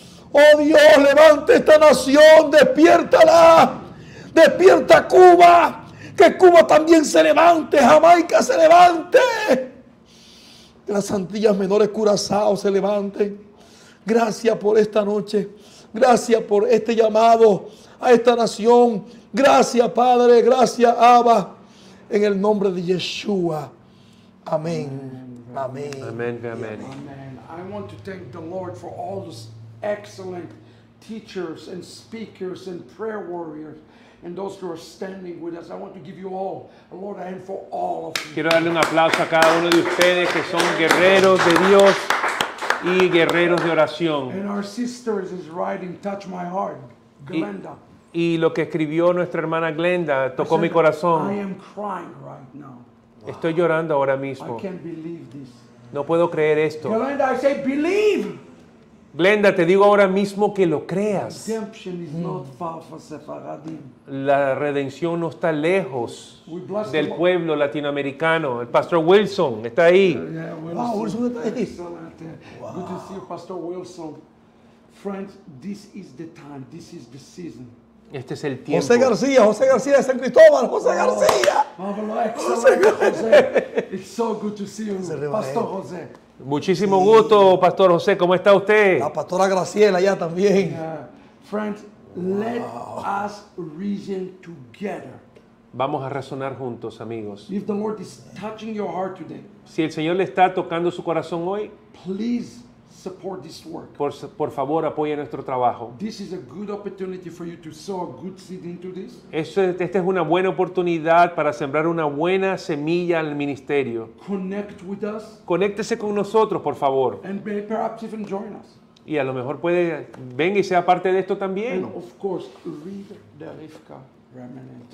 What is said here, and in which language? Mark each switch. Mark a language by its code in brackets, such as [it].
[es] Oh Dios, levante esta nación, despiértala, despierta Cuba, que Cuba también se levante, Jamaica se levante, que las Antillas Menores, Curazao se levanten. Gracias por esta noche, gracias por este llamado a esta nación, gracias Padre, gracias Abba, en el nombre de Yeshua, amén, amén, amén, amén. [en] I want to thank the Lord for all this excellent teachers and speakers and prayer warriors and those who are standing with us. I want to give you all a Lord hand for all of you. [es] Quiero darle un aplauso a cada uno de ustedes que son guerreros de Dios y guerreros de oración. [en] And our sisters is writing, touch my heart, Glenda. [es] Y lo que escribió nuestra hermana Glenda tocó mi corazón. [en] I am crying right now. [es] Estoy llorando ahora mismo. [en] I can't believe this. [es] No puedo creer esto. [en] Glenda, I say believe. [es] Glenda, te digo ahora mismo que lo creas. [en] Redemption is not far from Sephardim. [es] La redención no está lejos del pueblo latinoamericano. El pastor Wilson está ahí. Wow, Wilson está ahí. [en] Wow. Good to see you, Pastor Wilson. Friends, this is the time. This is the season. [es] Este es el tiempo. José García de San Cristóbal, José García. [en] Marvelous. José, it's so good to see you, Pastor José. [es] Muchísimo gusto, Pastor José. ¿Cómo está usted? La pastora Graciela ya también. [en] Friends, wow. Let us reason together. [es] Vamos a razonar juntos, amigos. [en] If the Lord is touching your heart today, [es] si el Señor le está tocando su corazón hoy, [en] please support this work. [es] Por favor, apoye nuestro trabajo. [en] This is a good opportunity for you to sow a good seed into this. [es] Esta es una buena oportunidad para sembrar una buena semilla al ministerio. [en] Connect with us. [es] Conéctese con nosotros, por favor. [en] And perhaps even join us. [es] Y a lo mejor puede venga y sea parte de esto también. [en] And of course, read the Rivka Remnant.